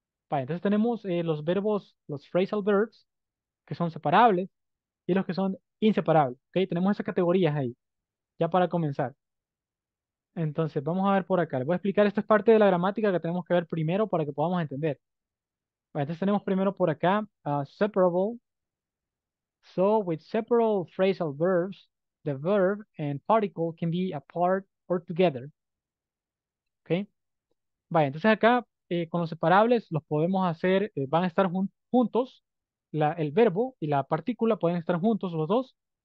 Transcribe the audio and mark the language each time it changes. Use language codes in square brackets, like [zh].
[es] Vale, entonces tenemos los verbos, los phrasal verbs, que son separables, y los que son inseparables. Okay? Tenemos esas categorías ahí, ya para comenzar. Entonces, vamos a ver por acá. Les voy a explicar, esta es parte de la gramática que tenemos que ver primero para que podamos entender. Vale, entonces tenemos primero por acá, separable. [en] So, with separable phrasal verbs, the verb and particle can be apart or together. Okay? [es] Vale, entonces acá, con los separables, los podemos hacer, van a estar juntos. El verbo y la partícula pueden estar juntos los dos.